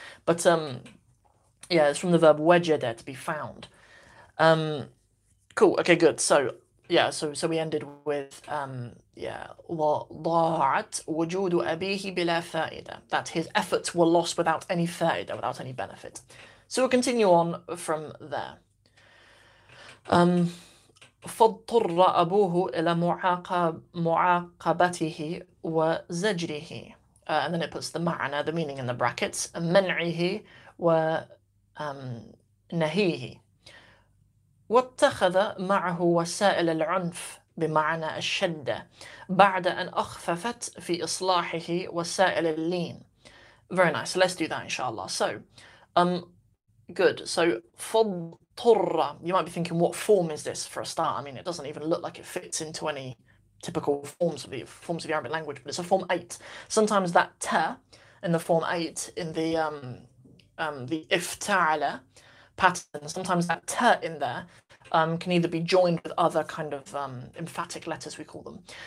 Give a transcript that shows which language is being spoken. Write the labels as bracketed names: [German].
[English] But yeah, it's from the verb وجد, to be found. Cool. Okay, good. So yeah, so we ended with [Arabic] ضاعت وجود أبيه بلا فائدة, [English] that his efforts were lost without any فائدة, without any benefit. So we'll continue on from there. [Arabic] فاضطر أبوه إلى معاقبته وزجره. [English] And then it puts the معنى, the meaning, in the brackets. [Arabic] منعه ونهيه. واتخذ معه وسائل العنف بمعنى الشدة بعد أن أخففت في إصلاحه وسائل اللين. [English] Very nice. So let's do that, inshallah. So, good. So, فضطر. You might be thinking, what form is this for a start? I mean, it doesn't even look like it fits into any typical forms of the Arabic language, but it's a form 8. Sometimes that ta in the form 8 in the ifta'ala pattern, sometimes that ta in there can either be joined with other kind of emphatic letters, we call them.